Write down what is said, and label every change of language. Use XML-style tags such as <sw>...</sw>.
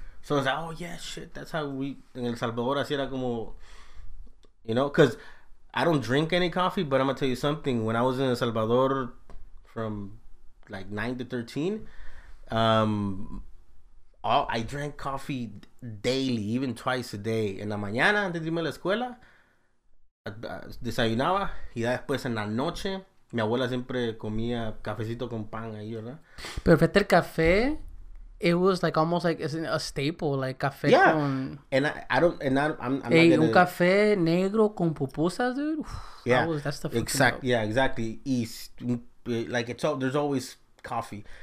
<en>So I was like, oh, yeah, shit, that's how we,</en> <es>en El Salvador, así era como,</es> <en>you know? Because I don't drink any coffee, but I'm going to tell you something. When I was in El Salvador from, like, 9 to 13, I drank coffee daily, even twice a day.</en> <es>En la mañana, antes de irme a la escuela, desayunaba. Y después, en la noche, mi abuela siempre comía cafecito con pan ahí, ¿verdad? Pero fíjate, el café,</es> <en>it was like almost like a staple, like café yeah. con... Yeah, and I'm hey, not gonna...</en> <es>un café negro con pupusas, dude. Uf,</es> <en>yeah, that's the exactly. Yeah, exactly. East, like, it's all, there's always coffee.</en>